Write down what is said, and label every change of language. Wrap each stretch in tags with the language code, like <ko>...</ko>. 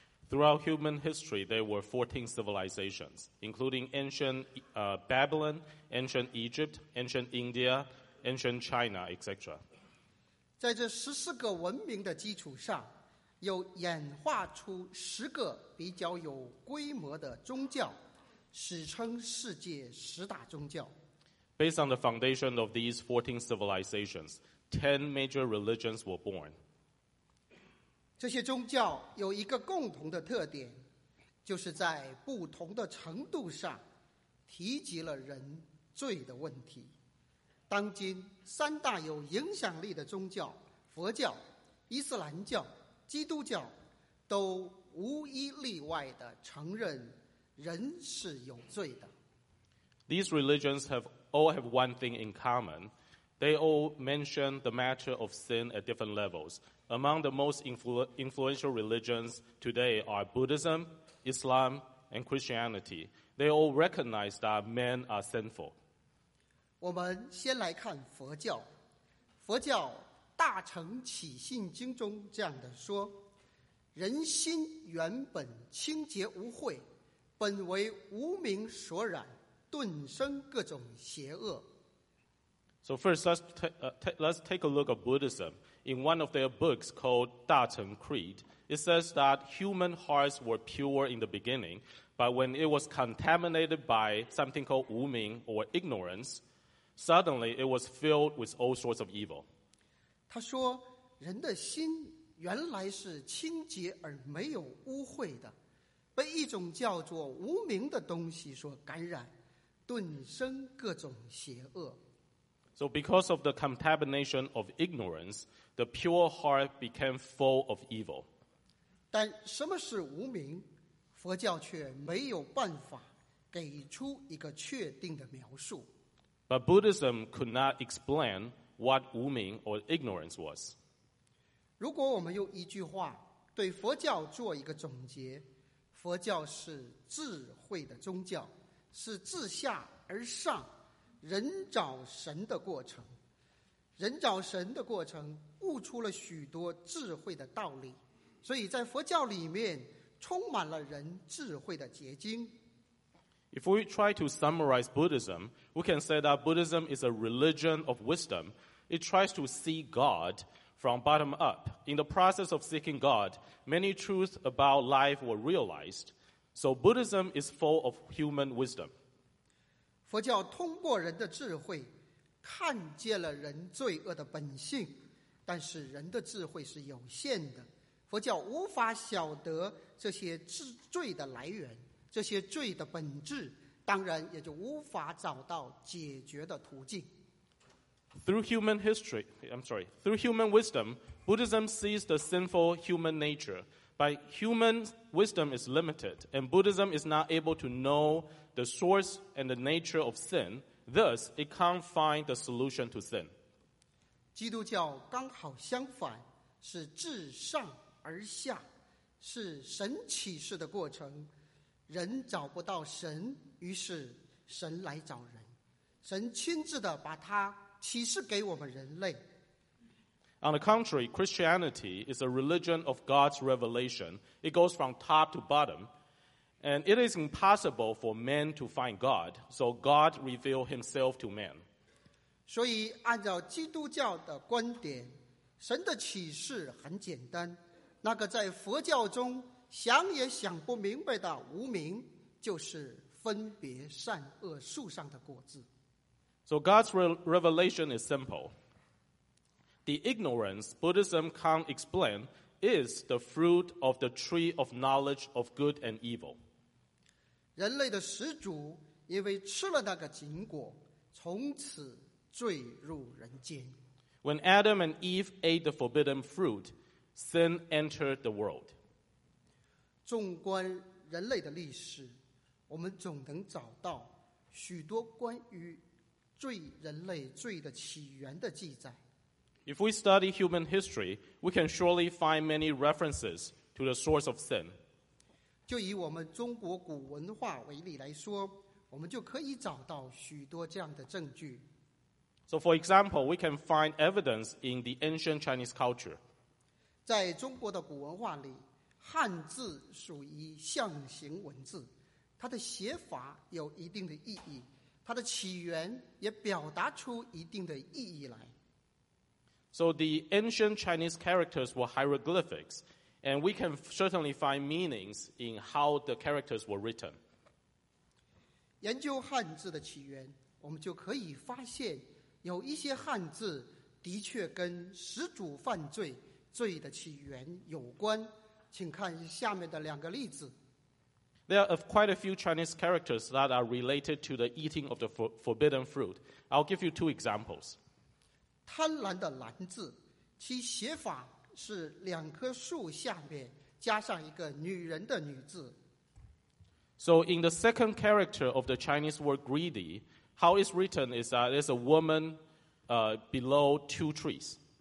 <en>Throughout human history, there were 14 civilizations, including ancient Babylon, ancient Egypt, ancient India, ancient China, etc.</en> <zh>在这14个文明的基础上，又演化出10个比较有规模的宗教，史称世界十大宗教。</zh> <en>Based on the foundation of these 14 civilizations, 10 major religions were born.</en> <zh>这些宗教有一个共同的特点，就是在不同的程度上提及了人罪的问题。当今三大有影响力的宗教，佛教、伊斯兰教、基督教，都无一例外地承认人是有罪的。</zh> <en>These religions all have one thing in common. They all mention the matter of sin at different levels. Among the most influential religions today are Buddhism, Islam, and Christianity. They all recognize that men are sinful.</en> <zh>我们先来看佛教。佛教《大乘起信经》中这样的说：人心原本清洁无秽，本为无明所染，顿生各种邪恶。</zh> <en>So first, let's take a look at Buddhism. In one of their books called Da Cheng Creed, it says that human hearts were pure in the beginning, but when it was contaminated by something called 无明 or ignorance, suddenly it was filled with all sorts of evil.</en> <zh>他说，人的心原来是清洁而没有污秽的，被一种叫做无明的东西所感染，顿生各种邪恶。</zh> <en>So because of the contamination of ignorance, the pure heart became full of evil.</en> <zh>但什么是无明？佛教却没有办法给出一个确定的描述。</zh> <en>But Buddhism could not explain what 无明 or ignorance was.</en> <zh>如果我们用一句话对佛教做一个总结，佛教是智慧的宗教，是自下而上人找神的过程，人找神的过程悟出了许多智慧的道理，所以在佛教里面充满了人智慧的结晶。</zh> <en>If we try to summarize Buddhism, we can say that Buddhism is a religion of wisdom. It tries to see God from bottom up. In the process of seeking God, many truths about life were realized. So Buddhism is full of human wisdom.</en> <zh>佛教通过人的智慧看见了人罪恶的本性，但是人的智慧是有限的，佛教无法晓得这些罪的来源，这些罪的本质，当然也就无法找到解决的途径。</zh> <en>Through human wisdom, Buddhism sees the sinful human nature, but human wisdom is limited, and Buddhism is not able to knowThe source and the nature of sin, thus it can't find the solution to sin.</en> <zh>基督教刚好相反，是自上而下，是神启示的过程。人找不到神，于是神来找人，神亲自的把他启示给我们人类。</zh> <en>On the contrary, Christianity is a religion of God's revelation. It goes from top to bottom. And it is impossible for men to find God, so God revealed himself to men.</en> <zh>所以按照基督教的观点，神的启示很简单，那个在佛教中想也想不明白的无明，就是分别善恶树上的果子。</zh> <en>So God's revelation is simple. The ignorance Buddhism can't explain is the fruit of the tree of knowledge of good and evil.</en> <zh>人类的始祖因为吃了那个禁果，从此坠入人间。</zh> <en>When Adam and Eve ate the forbidden fruit, sin entered the world.</en> <zh>纵观人类的历史，我们总能找到许多关于罪、人类罪的起源的记载。</zh> <en>If we study human history, we can surely find many references to the source of sin.</en> <zh>就以我们中国古文化为例来说，我们就可以找到许多这样的证据。</zh> <en>So for example, we can find evidence in the ancient Chinese culture.</en> <zh>在中国的古文化里，汉字属于象形文字，它的写法有一定的意义，它的起源也表达出一定的意义来。</zh> <en>So the ancient Chinese characters were hieroglyphics, and we can certainly find meanings in how the characters were written.</en> <zh>研究汉字的起源，我们就可以发现有一些汉字的确跟始祖犯罪、罪的起源有关。请看下面的两个例子。</zh> <en>There are quite a few Chinese characters that are related to the eating of the forbidden fruit. I'll give you two examples.</en> <zh>贪婪的婪字，其写法是两棵树下面加上一个女人的女字。</zh> <en>So in the second character of the Chinese word greedy, how it's written is that there's a woman below two trees.</en>